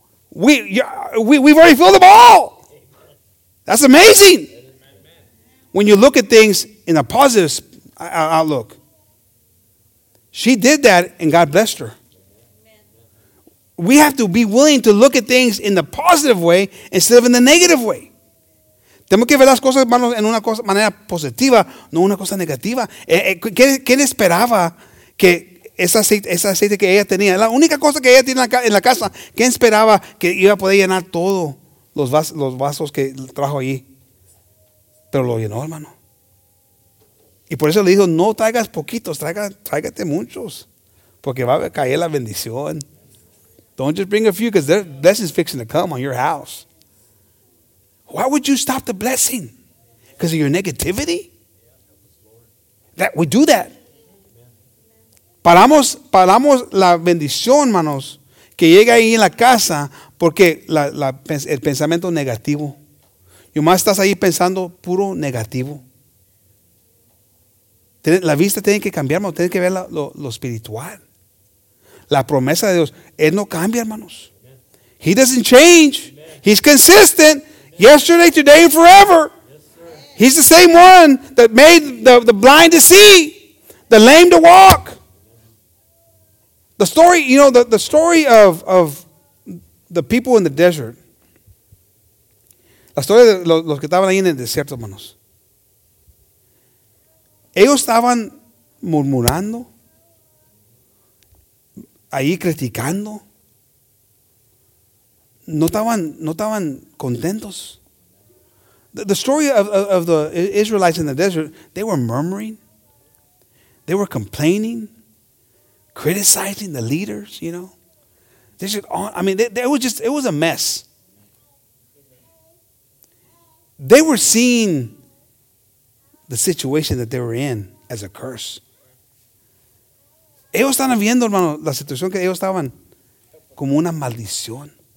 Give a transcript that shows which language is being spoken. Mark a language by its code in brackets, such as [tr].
[en] We've already filled them all. That's amazing. When you look at things in a positive outlook, she did that and God blessed her. Amen. We have to be willing to look at things in the positive way instead of in the negative way. [es] Tenemos que ver las cosas, hermanos, en una manera positiva, no una cosa negativa. ¿Quién esperaba que ese aceite que ella tenía, la única cosa que ella tiene en la casa, quién esperaba que iba a poder llenar todos los vasos que trajo allí? Pero lo llenó, hermano. Y por eso le dijo, no traigas poquitos, tráigate muchos. Porque va a caer la bendición. [en] Don't just bring a few, because the blessing's fixing to come on your house. Why would you stop the blessing? Because of your negativity? That we do that. [es] Paramos la bendición, manos, que llega ahí en la casa, porque el pensamiento negativo. Y más estás ahí pensando puro negativo. La vista tiene que cambiar, hermano. Tiene que ver lo espiritual. La promesa de Dios. Él no cambia, hermanos. [en] He doesn't change. He's consistent. yesterday, today, and forever. He's the same one that made the blind to see, the lame to walk. The story, you know, the story of the people in the desert. [es] La historia de los que estaban ahí en el desierto, hermanos. Ellos estaban murmurando, ahí criticando. No estaban contentos. [en] The story of the Israelites in the desert, they were murmuring. They were complaining, criticizing the leaders, you know. They said, I mean, it was a mess. They were seeing the situation that they were in as a curse. [es] Ellos estaban viendo, hermano, la situación que ellos estaban como una maldición.